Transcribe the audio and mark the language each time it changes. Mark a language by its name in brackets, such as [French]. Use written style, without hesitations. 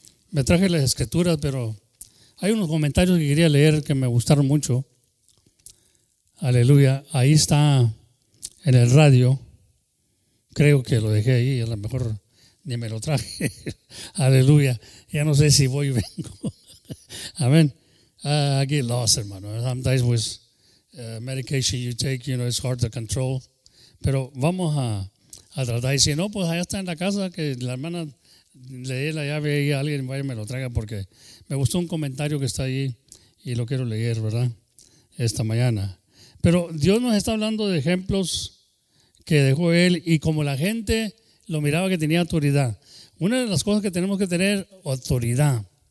[Spanish] Me traje las escrituras, pero hay unos comentarios que quería leer que me gustaron mucho. Aleluya, ahí está en el radio. Creo que lo dejé ahí, a lo mejor ni me lo traje. Aleluya, ya no sé si voy o vengo. Amén. Aquí lost, hermano. [English] Sometimes with medication you take, you know, it's hard to control. [Spanish] Pero vamos a tratar. Y si no, pues allá está en la casa, que la hermana le dé la llave y alguien vaya y me lo traiga, porque me gustó un comentario que está ahí y lo quiero leer, ¿verdad? Esta mañana. Pero Dios nos está hablando de ejemplos que dejó Él y como la gente lo miraba que tenía autoridad. Una de las cosas que tenemos que tener, autoridad.